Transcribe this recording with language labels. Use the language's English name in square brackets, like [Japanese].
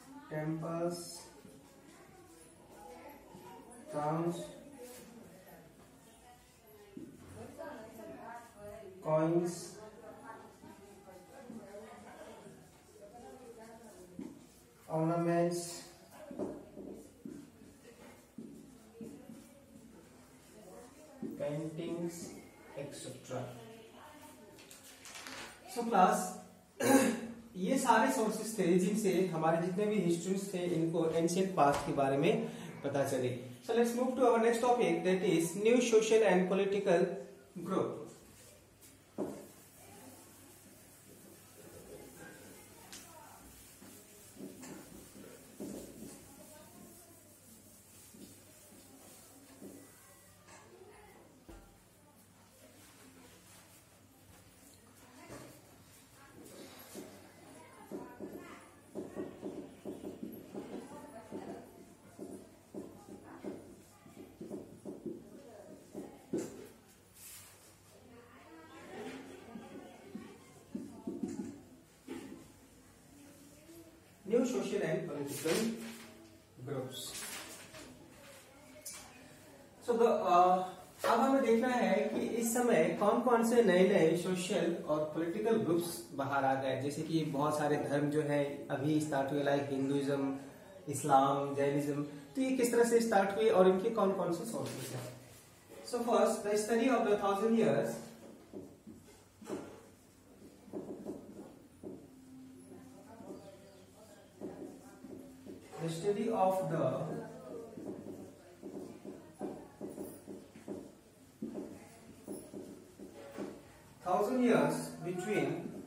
[English] Temples towns, coins, ornaments, paintings, etc. So class, [Hindi] ये सारे sources थे जिनसे हमारे जितने भी histories थे इनको ancient past के बारे में पता चले. [English] So let's move to our next topic, that is new social and political group. New social and political groups. So the [Hindi] अब हमें देखना है कि इस समय कौन कौन से नए नए सोशल और पॉलिटिकल ग्रुप्स बाहर आ गए, जैसे कि बहुत सारे धर्म जो है अभी स्टार्ट हुए, लाइक हिंदुइज्म, इस्लाम, जैनिज्म. तो ये किस तरह से स्टार्ट हुए और इनके कौन कौन से सोर्सेस हैं? [English] so first the study of the 1000 years study of the 1000 years between